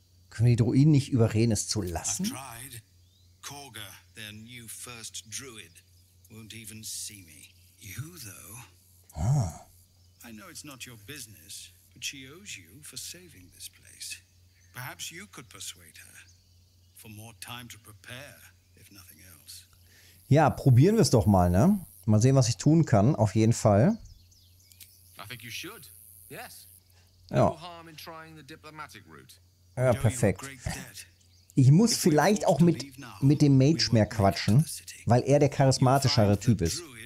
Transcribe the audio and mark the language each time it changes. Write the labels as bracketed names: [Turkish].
[German] Können wir die Druiden nicht überreden, es zu lassen? [English] Korga, their new first druid, won't even see me. You, though. Ah. I know it's not your business, but she owes you for saving this place. Perhaps you could persuade her for more time to prepare, if nothing else. [German] Ja, probieren wir es doch mal, ne? Mal sehen, was ich tun kann, auf jeden Fall. [English] I think you should. Yes. [German] Ja. [English] No harm in trying the diplomatic route. [German] Ja, perfekt. Ich muss vielleicht auch mit dem Mage mehr quatschen, weil er der charismatischere Typ ist.